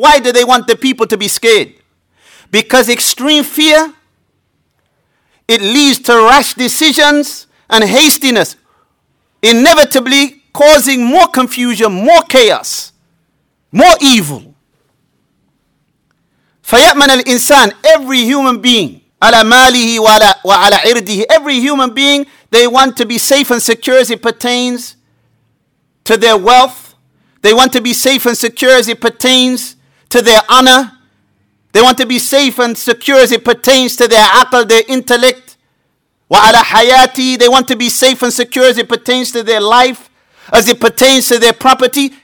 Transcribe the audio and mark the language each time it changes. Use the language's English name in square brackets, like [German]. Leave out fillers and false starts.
[English] Why do they want the people to be scared? Because extreme fear, it leads to rash decisions and hastiness, inevitably causing more confusion, more chaos, more evil. [Arabic] فَيَأْمَنَ الْإِنسَانِ. [English] Every human being, [Arabic] عَلَى مَالِهِ وَعَلَى عِرْدِهِ. [English] Every human being, they want to be safe and secure as it pertains to their wealth. They want to be safe and secure as it pertains to their honor. They want to be safe and secure as it pertains to their aql, their intellect. Wa ala hayati, they want to be safe and secure as it pertains to their life, as it pertains to their property.